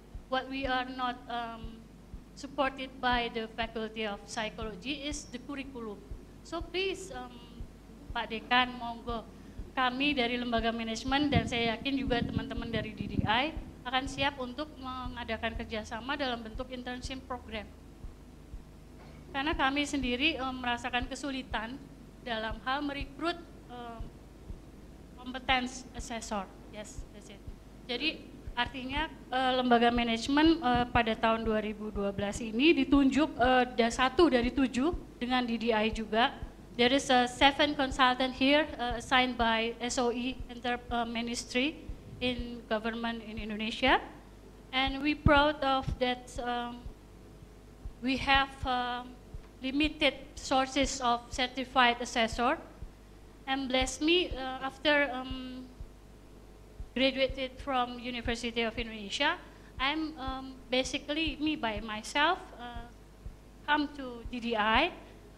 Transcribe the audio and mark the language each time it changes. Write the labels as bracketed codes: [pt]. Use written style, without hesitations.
[en] What we are not supported by the Faculty of Psychology is the curriculum. [id] So please, Pak Dekan, monggo, kami dari lembaga manajemen dan saya yakin juga teman-teman dari DDI akan siap untuk mengadakan kerjasama dalam bentuk internship program. Karena kami sendiri merasakan kesulitan dalam hal merekrut kompetensi asesor. [en] Yes, that's it. [id] Jadi artinya lembaga manajemen pada tahun 2012 ini ditunjuk satu dari tujuh dengan DDI juga. [en] There is a seven consultant here assigned by SOE Ministry in Government in Indonesia, and we proud of that. We have limited sources of certified assessor, and bless me, after graduated from University of Indonesia, I'm basically me by myself come to DDI.